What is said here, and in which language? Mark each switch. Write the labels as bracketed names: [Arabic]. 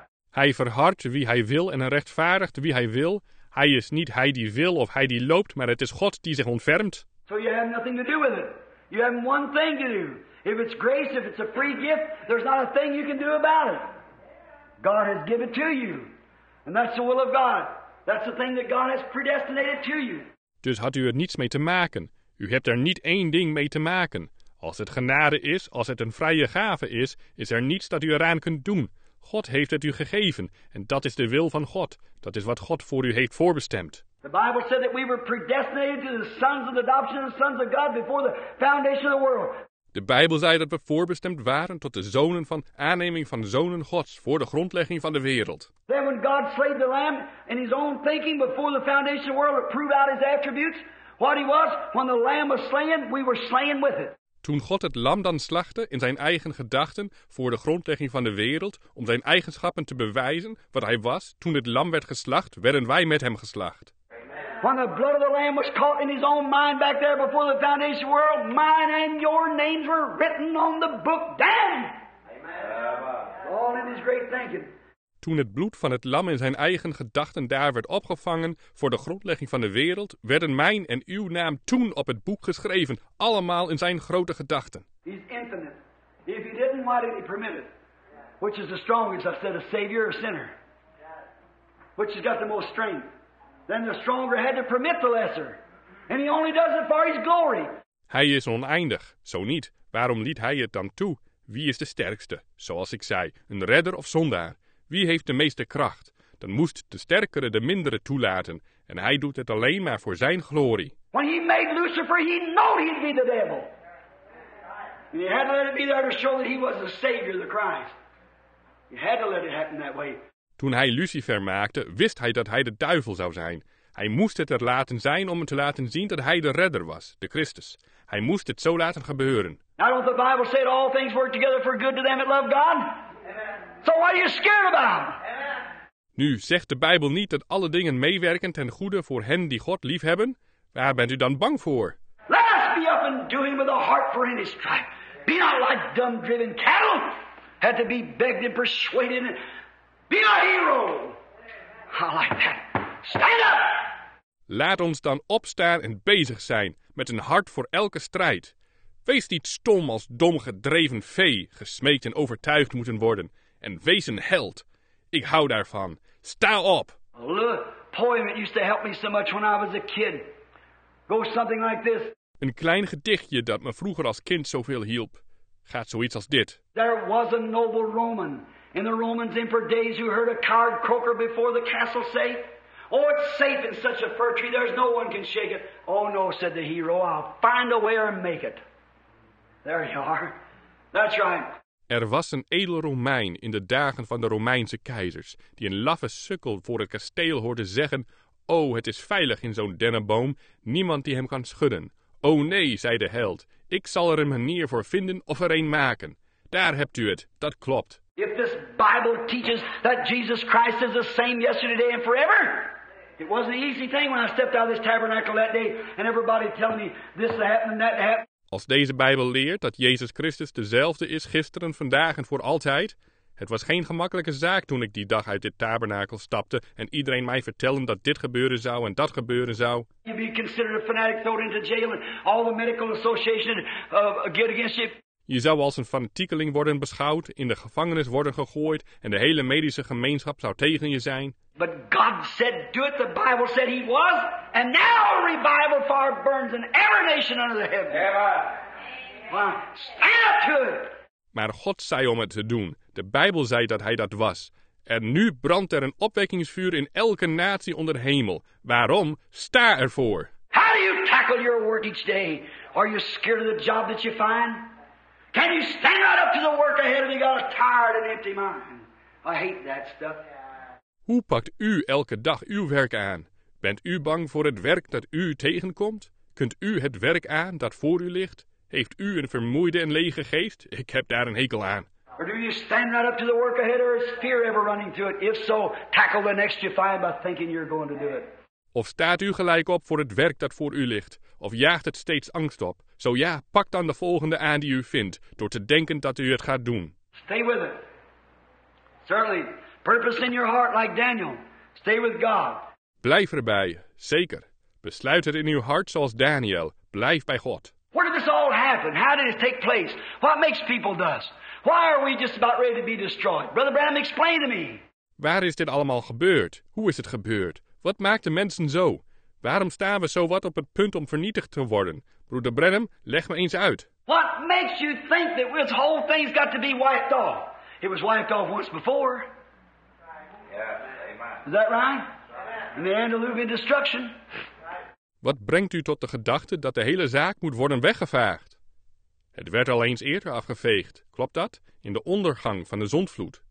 [Dutch] Hij verhardt wie hij wil en rechtvaardigt wie hij wil. Hij is niet hij die wil of hij die loopt, maar het is God die zich ontfermt. [English] So you have nothing to do with it. You have one thing to do. If it's grace, if it's a free gift, there's not a thing you can do about it. God has given it to you. And that's the will of God. That's the thing that God has predestinated to you. [Dutch] Dus had u er niets mee te maken. U hebt er niet één ding mee te maken. Als het genade is, als het een vrije gave is, is er niets dat u eraan kunt doen. God heeft het u gegeven. En dat is de wil van God. Dat is wat God voor u heeft voorbestemd. [English] The Bible said that we were predestinated to the sons of the adoption of the sons of God before the foundation of the world. [Dutch] De Bijbel zei dat we voorbestemd waren tot de zonen van aanneming van zonen Gods voor de grondlegging van de wereld. [English] Then when God slayed the lamb in his own thinking before the foundation of the world to prove out his attributes, what he was, when the lamb was slain, we were slain with it. [Dutch] Toen God het lam dan slachtte in zijn eigen gedachten voor de grondlegging van de wereld om zijn eigenschappen te bewijzen wat hij was, toen het lam werd geslacht, werden wij met hem geslacht. [English] When the blood of the lamb was caught in his own mind back there before the foundation of the world, mine and your names were written on the book damn. Amen. All in his great thinking. [Dutch] Toen het bloed van het lam in zijn eigen gedachten daar werd opgevangen voor de grondlegging van de wereld, werden mijn en uw naam toen op het boek geschreven, allemaal in zijn grote gedachten. [English] He's infinite. If he didn't, why did he permit it? Which is the strongest, I said, a savior or a sinner? Which has got the most strength? Then the stronger had to permit the lesser. And he only does it for his glory. [Dutch] Hij is oneindig, zo niet. Waarom liet hij het dan toe? Wie is de sterkste? Zoals ik zei, een redder of zondaar? Wie heeft de meeste kracht? Dan moest de sterkere de mindere toelaten. En hij doet het alleen maar voor zijn glorie. [English] When he made Lucifer, he knew he'd be the devil. And he had to let it be there to show that he was the savior, the Christ. He had to let it happen that way. [Dutch] Toen hij Lucifer maakte, wist hij dat hij de duivel zou zijn. Hij moest het er laten zijn om hem te laten zien dat hij de redder was, de Christus. Hij moest het zo laten gebeuren. [English] Now don't the Bible say that all things work together for good to them that love God? Amen. So what are you scared about? Amen. [Dutch] Nu, zegt de Bijbel niet dat alle dingen meewerken ten goede voor hen die God lief hebben? Waar bent u dan bang voor? [English] Let us be up and doing with a heart for any strife. Be not like dumb driven cattle. Had to be begged and persuaded. Be a hero. I like that. Stand up. [Dutch] Laat ons dan opstaan en bezig zijn met een hart voor elke strijd. Wees niet stom als dom gedreven vee, gesmeekt en overtuigd moeten worden. En wees een held. Ik hou daarvan. Sta op. [English] Look, poem that used to help me so much when I was a kid. Go something like this. [Dutch] Een klein gedichtje dat me vroeger als kind zoveel hielp, gaat zoiets als dit. [English] There was a noble Roman in the Roman's emperor days who heard a coward croaker before the castle safe. Oh, it's safe in such a fir tree, there's no one can shake it. Oh no, said the hero, I'll find a way and make it. There you are. That's right. [Dutch] Er was een edele Romein in de dagen van de Romeinse keizers, die een laffe sukkel voor het kasteel hoorde zeggen, oh, het is veilig in zo'n dennenboom, niemand die hem kan schudden. Oh nee, zei de held, ik zal er een manier voor vinden of er een maken. Daar hebt u het, dat klopt. [English] If this Bible teaches that Jesus Christ is the same yesterday and forever, it wasn't an easy thing when I stepped out of this tabernacle that day and everybody telling me this happened and that happened. [Dutch] Als deze Bijbel leert dat Jezus Christus dezelfde is gisteren, vandaag en voor altijd. Het was geen gemakkelijke zaak toen ik die dag uit dit tabernakel stapte en iedereen mij vertelde dat dit gebeuren zou en dat gebeuren zou. [English] You be considered a fanatic, thrown into jail and all the medical association get against you. [Dutch] Je zou als een fanatiekeling worden beschouwd, in de gevangenis worden gegooid en de hele medische gemeenschap zou tegen je zijn. [English] But God said, do it. The Bible said he was. And now a revival fire burns in every nation under the heaven. Amen. Well, stand up to it. [Dutch] Maar God zei om het te doen. De Bijbel zei dat hij dat was. En nu brandt er een opwekkingsvuur in elke natie onder de hemel. Waarom? Sta ervoor. [English] How do you tackle your work each day? Are you scared of the job that you find? Can you stand right up to the work ahead if you got a tired and empty mind? I hate that stuff. [Dutch] Hoe pakt u elke dag uw werk aan? Bent u bang voor het werk dat u tegenkomt? Kunt u het werk aan dat voor u ligt? Heeft u een vermoeide en lege geest? Ik heb daar een hekel aan. [English] Or do you stand right up to the work ahead, or is fear ever running to it? If so, tackle the next you find by thinking you're going to do it. [Dutch] Of staat u gelijk op voor het werk dat voor u ligt? Of jaagt het steeds angst op? Zo ja, pak dan de volgende aan die u vindt, door te denken dat u het gaat doen. [English] Stay with it. Certainly. Purpose in your heart like Daniel. Stay with God. [Dutch] Blijf erbij, zeker. Besluit het in uw hart zoals Daniel. Blijf bij God. [English] Where did this all happen? How did it take place? What makes people thus? Why are we just about ready to be destroyed? Brother Branham, explain to me. [Dutch] Waar is dit allemaal gebeurd? Hoe is het gebeurd? Wat maakt de mensen zo? Waarom staan we zo wat op het punt om vernietigd te worden? Broeder Branham, leg me eens uit. [English] What makes you think that this whole thing's got to be wiped off? It was wiped off once before. Is that right? In the Antediluvian destruction. [Dutch] Wat brengt u tot de gedachte dat de hele zaak moet worden weggevaagd? Het werd al eens eerder afgeveegd, klopt dat? In de ondergang van de zondvloed.